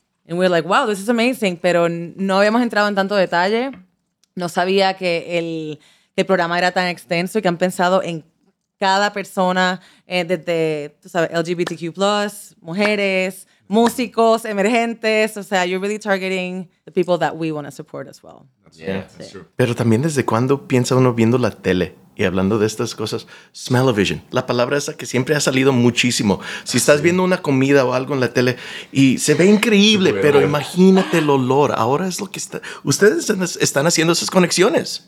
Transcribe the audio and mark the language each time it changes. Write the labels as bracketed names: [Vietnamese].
[English] And we're like, wow, this is amazing. [Spanish] Pero no habíamos entrado en tanto detalle. No sabía que el programa era tan extenso y que han pensado en cada persona, desde, tú sabes, LGBTQ+, mujeres, músicos, emergentes. O sea, [English] you're really targeting the people that we want to support as well. That's true. [Spanish] Pero también, ¿desde cuándo piensa uno viendo la tele y hablando de estas cosas? Smell-o-vision, la palabra esa que siempre ha salido muchísimo. Si estás viendo una comida o algo en la tele y se ve increíble, pero imagínate el olor. Ahora es lo que está. Ustedes están haciendo esas conexiones.